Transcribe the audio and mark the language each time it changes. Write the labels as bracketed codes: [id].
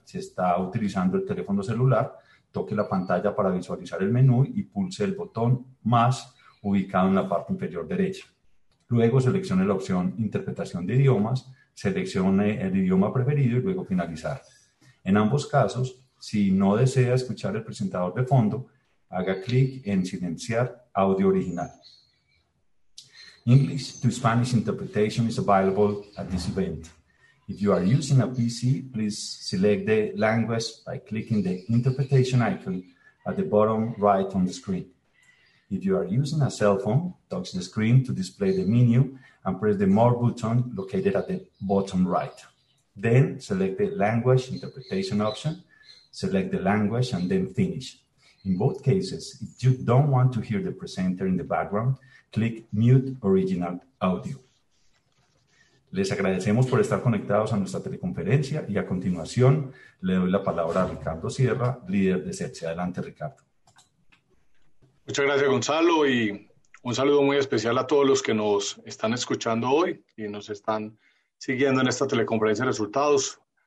[es] Si está utilizando el teléfono celular, toque la pantalla para visualizar el menú y pulse el botón Más ubicado en la parte inferior derecha. Luego seleccione la opción Interpretación de idiomas, seleccione el idioma preferido y luego finalizar. En ambos casos, si no desea escuchar el presentador de fondo, haga clic en Silenciar audio original. [en] English to Spanish interpretation is available at this event. If you are using a PC, please select the language by clicking the Interpretation icon at the bottom right on the screen. If you are using a cell phone, touch the screen to display the menu and press the More button located at the bottom right. Then select the Language Interpretation option, select the language, and then finish. In both cases, if you don't want to hear the presenter in the background, click Mute Original Audio. [es] Les agradecemos por estar conectados a nuestra teleconferencia y a continuación le doy la palabra a Ricardo Sierra, líder de CETSE. Adelante, Ricardo. Muchas gracias, Gonzalo, y un saludo muy especial a todos los que nos están escuchando hoy y nos están siguiendo en esta teleconferencia de resultados.